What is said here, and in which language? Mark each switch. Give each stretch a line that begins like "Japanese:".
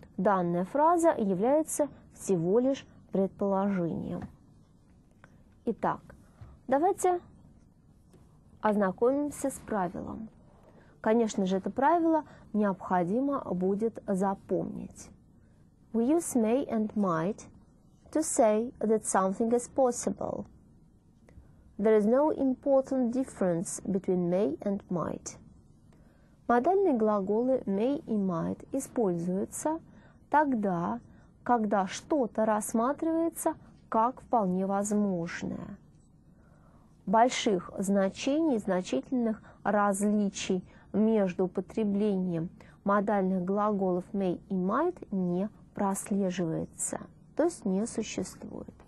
Russian: Данная фраза является всего лишь предположением. Итак, давайте ознакомимся с правилом. Конечно же, это правило необходимо будет запомнить.
English: We use may and might to say that something is possible. There is no important difference between may and might.
Russian: Модальные глаголы may и might используются тогда, когда что-то рассматривается как вполне возможное. Больших значений, значительных различий между употреблением модальных глаголов may и might не прослеживается, то есть не существует.